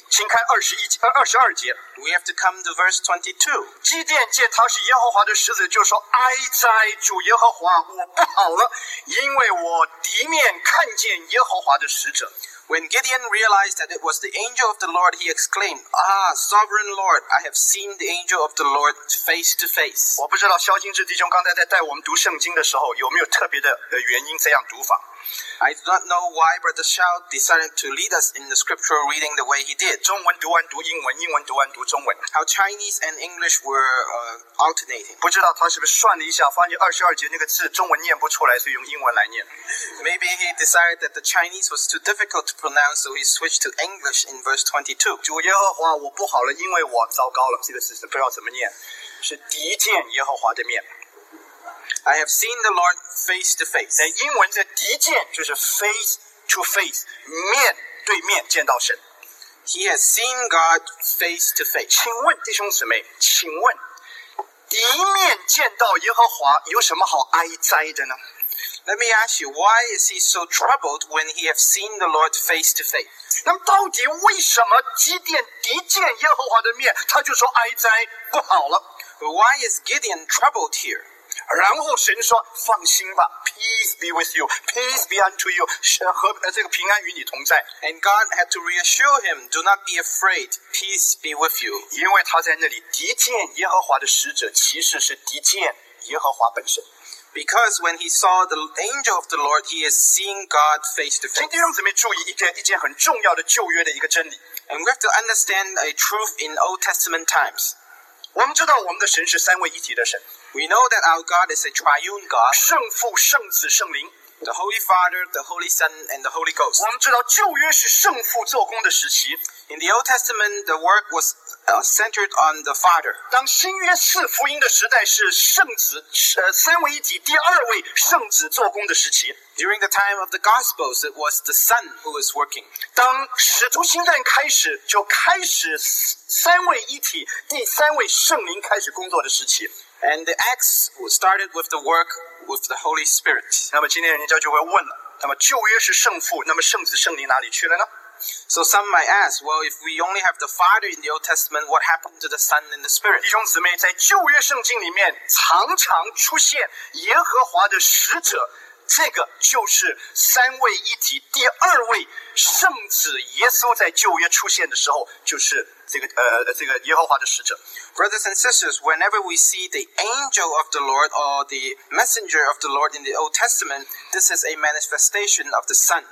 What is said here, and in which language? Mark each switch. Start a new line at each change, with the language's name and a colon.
Chinese: 请看二十一节，二十二节。
English: We have to come to verse 22.
Chinese: 基甸见他是耶和华的使者，就说：“哀哉，主耶和华，我不好了，因为我敌面看见耶和华的使者。”
English: When Gideon realized that it was the angel of the Lord, he exclaimed, "Ah, sovereign Lord, I have seen the angel of the Lord face to face."
Chinese: 我不知道肖金志弟兄刚才在带我们读圣经的时候，有没有特别的原因这样读法。
English: I do not know why Brother Shao decided to lead us in the scriptural reading the way he did.
Chinese: 中文读完读英文，英文读完读中文。
English: How Chinese and English were alternating.
Chinese: 不知道他是不是算了一下，发现二十二节那个字中文念不出来，所以用英文来念。
English: Maybe he decided that the Chinese was too difficult to pronounce, so he switched to English in verse 22.
Chinese: 主耶和华，我不好了，因为我糟糕了。这个字不知道怎么念，是第一见耶和华的面。
English: I have seen the Lord face to face.
Chinese: 在英文这第一件就是
English: face to face,
Chinese: 面对面见到神。
English: He has seen God face to face.
Chinese: 请问弟兄姊妹，请问第一面见到耶和华有什么好哀哉的呢？
English: Let me ask you, why is he so troubled when he has seen the Lord face to face?
Chinese: 那么到底为什么第一见耶和华的面他就说哀哉不好了？
English: But why is Gideon troubled here?
Chinese: 然后神说放心吧
English: Peace be with you Peace be unto you
Chinese: 这个平安与你同在
English: And God had to reassure him Do not be afraid Peace be with you
Chinese: 因为他在那里敌见耶和华的使者其实是敌见耶和华本身
English: Because when he saw the angel of the Lord He is seeing God face to face
Chinese: 今天让姊妹注意一件很重要的旧约的一个真理
English: And we have to understand a truth in Old Testament times
Chinese: 我们知道我们的神是三位一体的神
English: We know that our God is a triune God.
Chinese: 圣父、圣子、圣灵。
English: The Holy Father, the Holy Son, and the Holy Ghost.
Chinese: 我们知道旧约是圣父做工的时期。
English: In the Old Testament, the work was centered on the Father.
Chinese: 当新约四福音的时代是圣子三位一体第二位圣子做工的时期。
English: During the time of the Gospels, it was the Son who was working.
Chinese: 当使徒行传开始就开始三位一体第三位圣灵开始工作的时期。
English: And the Acts started with the work with the Holy Spirit.
Chinese: 那么今天人家就会问了，那么旧约是圣父，那么圣子圣灵哪里去了呢？
English: So some might ask, well, if we only have the Father in the Old Testament, what happened to the Son and the Spirit?
Chinese: 弟兄姊妹，在旧约圣经里面常常出现耶和华的使者，这个就是三位一体第二位圣子耶稣在旧约出现的时候，就是。这个耶和华的使者
English: Brothers and sisters, whenever we see the angel of the Lord or the messenger of the Lord in the Old Testament, this is a manifestation of the Son.